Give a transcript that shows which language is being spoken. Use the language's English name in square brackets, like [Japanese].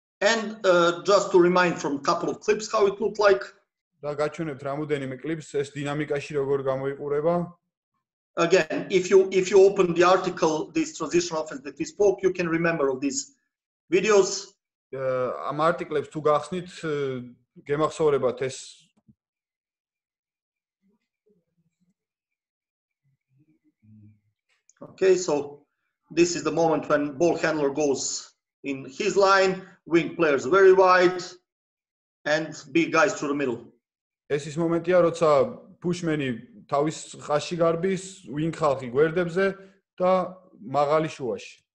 [English] And just to remind from couple of clips how it looked like. [Georgian] და გაჩვენებთ რამოდენიმე კლიპს ეს დინამიკაში როგორ გამოიყურება. [English] Again, if you open the article, this transition offense that we spoke, you can remember of these videos. [Georgian] Am article-ებს თუ გახსნით, გემახსოვრებათ ეს. [English] Okay, so this is the moment when ball handler goes in his line, wing players very wide, and big guys through the middle. [Georgian] ეს ის მომენტია, როცა pushmeni თავის ხაში გარბის, wing ხალხი გვერდებზე და მაღალი შუაში.